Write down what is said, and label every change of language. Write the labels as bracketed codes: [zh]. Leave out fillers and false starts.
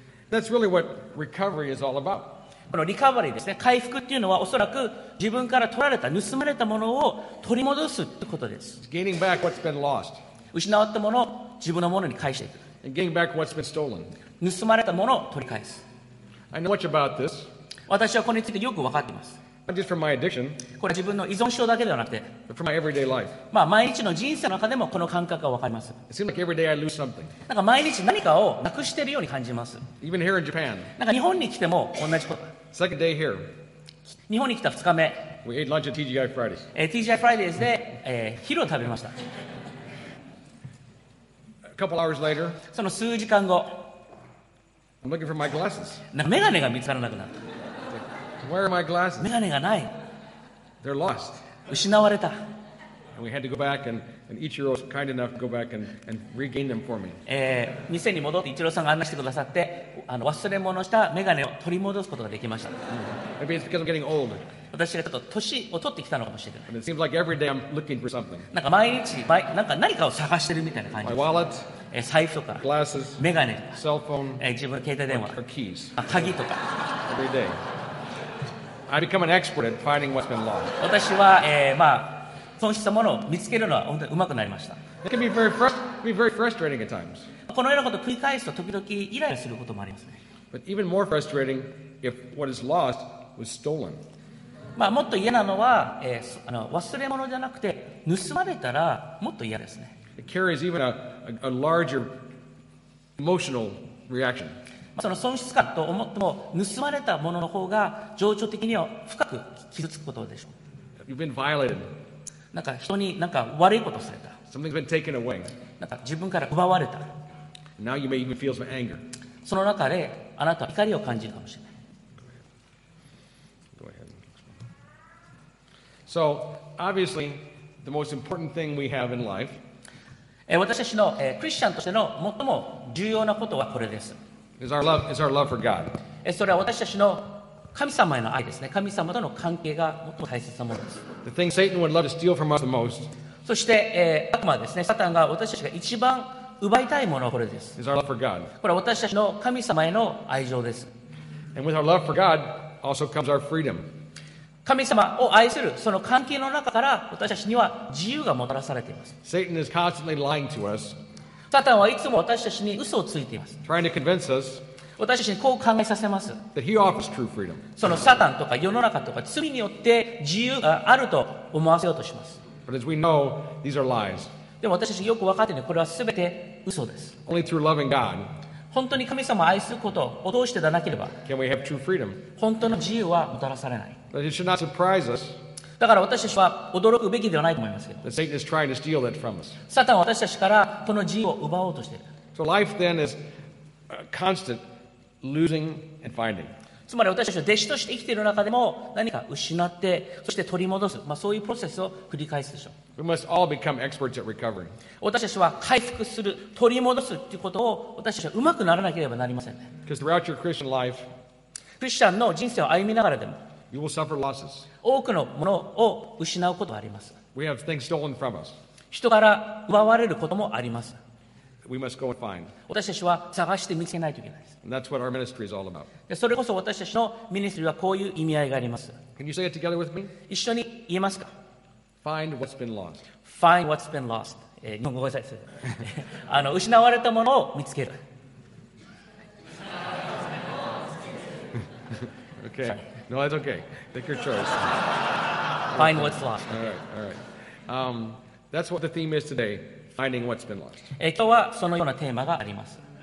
[en] That's really what recovery is all about. [ja] このリカバリーですね、回復っていうのはおそらく自分から取られた、盗まれたものを取り戻すってことです。 [en] Gaining back what's been lost. [ja] 失ったものを自分のものに返していく。 [en] And gaining back what's been stolen. [ja] 盗まれたものを取り返す。 [en] I know much about this. [ja] 私はこれについてよく分かっています。 [en] Not just from my addiction, [ja] これは自分の依存症だけではなくて、 [en] but from my everyday life. [ja] まあ毎日の人生の中でもこの感覚は分かります。 [en] It seems like every day I lose something. [ja] なんか毎日何かをなくしているように感じます。 [en] Even here in Japan. [ja] なんか日本に来ても同じこと。 [en] Second day here. [ja] 日本に来た2日目。 [en] We ate lunch at TGI Fridays. [ja] TGI Fridays で昼を食べました。 [en] A couple hours later. [ja] その数時間後。 [en] I'm looking for my glasses. [ja] なんかメガネが見つからなくなった。 [en] Where are my glasses? [ja] メガネがない。 [en] They're lost. [ja] 失われた。 [en] And we had to go back and Ichiro was kind enough to go back and regain them for me. [ja] 店に戻ってイチローさんが案内してくださって、忘れ物したメガネを取り戻すことができました。 [en] Maybe it's because I'm getting old. [ja] 私がちょっと年を取ってきたのかもしれない。 [en] And it seems like every day I'm looking for something. [ja] なんか毎日毎なんか何かを探してるみたいな感じ。 [en] My wallet. [ja] 財布とか。 [en] Glasses. [ja] メガネ。 [en] Cell phone. [ja] 自分の携帯電話。 [en] Or keys. [ja] 鍵とか。 [en] Every day. I become an expert at finding what's been lost. [ja] 私は、損したものを見つけるのは本当に上手くなりました。 [en] It can be very frustrating at times. [ja] このようなことを繰り返すと時々イライラすることもありますね。 [en] But even more frustrating if what is lost was stolen. [ja] まあもっと嫌なのは、忘れ物じゃなくて盗まれたらもっと嫌ですね。 [en] It carries even a larger emotional reaction. [ja] その損失感と思っても盗まれたものの方が情緒的には深く傷つくことでしょう。 [en] You've been violated. [ja] なんか人になんか悪いことをされた。 [en] Something's been taken away. [ja] なんか自分から奪われた。 [en] Now you may even feel some anger. [ja] その中であなたは怒りを感じるかもしれない。 [en] Go ahead. So obviously the most important thing we have in life. [ja] 私たちのクリスチャンとしての最も重要なことはこれです。 [en] Is our love for God. [ja] それは私たちの神様への愛ですね。神様との関係が最も大切なものです。 [en] The thing Satan would love to steal from us the most. [ja] そして、悪魔ですね。サタンが私たちが一番奪いたいものはこれです。 [en] Is our love for God. [ja] これは私たちの神様への愛情です。 [en] And with our love for God also comes our freedom. [ja] 神様を愛するその関係の中から私たちには自由がもたらされています。 [en] Satan is constantly lying to us. [ja] サタンはいつも私たちに嘘をついています。 [en] Trying to convince us [ja] 私たちにこう考えさせます。 [en] That he offers true freedom. [ja] そのサタンとか世の中とか罪によって自由があると思わせようとします。 [en] But as we know, these are lies. [ja] でも私たちよく分かっているのはこれは全て嘘です。 [en] Only through loving God [ja] 本当に神様を愛することを通してでなければ [en] Can we have true freedom? [ja] 本当の自由はもたらされない。 [en] But it should not surprise us. [ja] だから私たちは驚くべきではないと思いますけど。 [en] Satan is trying to steal that from us. [ja] サタンは私たちからこの自由を奪おうとしている。 [en] So life then is a constant losing and finding. [ja] つまり私たちは弟子として生きている中でも何か失って、そして取り戻す、まあ、そういうプロセスを繰り返すでしょう。 [en] We must all become experts at recovering. [ja] 私たちは回復する、取り戻すということを私たちは上手くならなければなりませんね。 [en] Because throughout your Christian life, [ja] クリスチャンの人生を歩みながらでも、 [en] You will suffer losses. [ja] 多くのものを失うことがあります。 [en] We have things stolen from us. [ja] 人から奪われることもあります。 [en] we must go and find. [ja] 私たちは探して見つけないといけないです。 [en] And that's what our ministry is all about. [ja] それこそ私たちのミニストリーはこういう意味合いがあります。 [en] Can you say it together with me? [ja] 一緒に言えますか? [en] Find what's been lost. Find what's been lost. [ja] 日本語でです。あの、失われたものを見つける。 [en] Okay. No, that's okay. Take your choice. Find what's lost. All right, all right. That's what the theme is today. Finding what's been lost. [ja] 今日はそのようなテーマがあります。